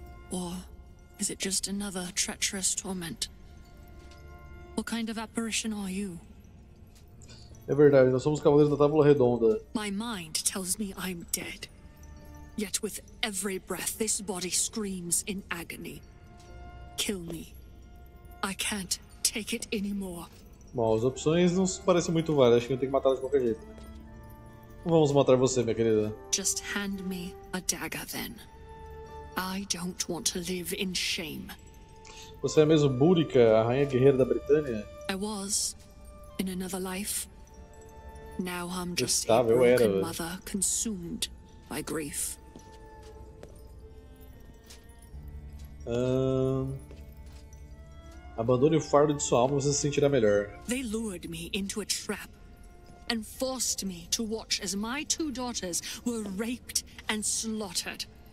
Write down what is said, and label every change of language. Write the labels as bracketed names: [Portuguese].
[English] Or is it just another treacherous torment? What kind of apparition are you? [Portuguese] É verdade, nós somos cavaleiros da Tábua Redonda. [English] My mind tells me I'm dead. Yet with every breath, this body screams in agony. Kill me. I can't take it anymore. [Portuguese] Bom, as opções não parecem muito válidas. Acho que eu tenho que matá-la de qualquer jeito. Vamos matar você, minha querida. [English] Just hand me a dagger, then. I don't want to live in shame. [Portuguese] Você é mesmo Búrica, a rainha guerreira da Britânia? [English] I was, in another life. Now I'm just a broken mother consumed by grief. [Portuguese] Abandone o fardo de sua alma, você se sentirá melhor. [English] They lured me into a trap and forced me to watch as my two daughters were raped and slaughtered.